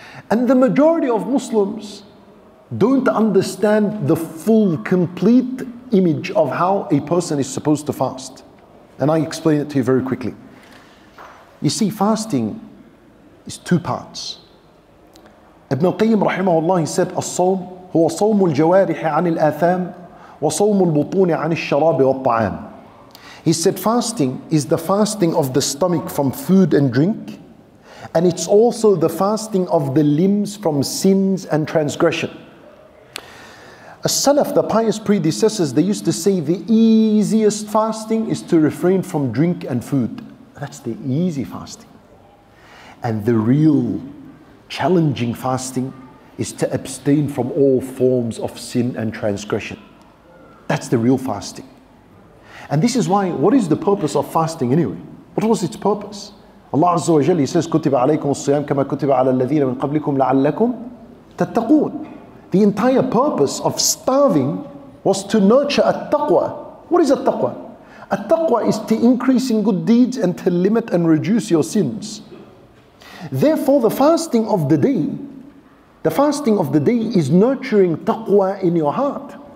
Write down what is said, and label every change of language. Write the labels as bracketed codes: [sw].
[en] And the majority of Muslims don't understand the full, complete image of how a person is supposed to fast. And I explain it to you very quickly. You see, fasting is two parts. Ibn Qayyim rahimahullah, he said, [ar] الصوم هو صوم الجوارح عن الآثام وصوم البطون عن الشراب والطعام. [en] He said, fasting is the fasting of the stomach from food and drink, and it's also the fasting of the limbs from sins and transgression. A Salaf, the pious predecessors, they used to say the easiest fasting is to refrain from drink and food. That's the easy fasting. And the real challenging fasting is to abstain from all forms of sin and transgression. That's the real fasting. And this is why, what is the purpose of fasting anyway? What was its purpose? Allah Azza wa Jalla says, [ar] كُتِبَ عَلَيْكُمُ الصِّيَامُ كَمَا كُتِبَ عَلَى الَّذِينَ مِنْ قَبْلِكُمْ لَعَلَّكُمْ تَتَّقُونَ. [en] The entire purpose of starving was to nurture at-taqwa. What is at-taqwa? At-taqwa is to increase in good deeds and to limit and reduce your sins. Therefore, the fasting of the day is nurturing taqwa in your heart.